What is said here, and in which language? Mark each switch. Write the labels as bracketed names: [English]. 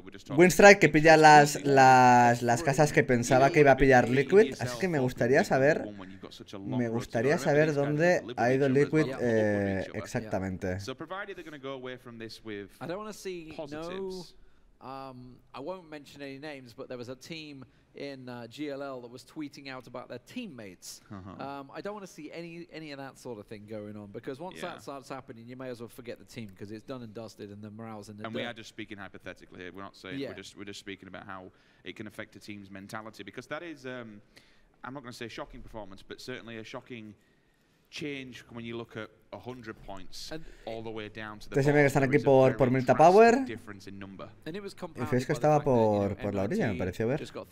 [Spanish] Winstrike, que pilla las casas que pensaba que iba a pillar Liquid. Así que me gustaría saber dónde ha ido Liquid exactamente. [English] From this with I don't want to see positives. No, I won't mention any names, but there was a team in GLL that was tweeting out about their teammates. I don't want to see any of that sort of thing going on, because once that starts happening, you may as well forget the team, because it's done and dusted and the morale's in the dirt. We are just speaking hypothetically here. We're not saying we're just speaking about how it can affect a team's mentality, because that is I'm not going to say a shocking performance, but certainly a shocking change when you look at 100 points all the way down to the bottom. [Spanish] Que están aquí por Milta Power. Y fíjate que estaba por la orilla, me pareció ver.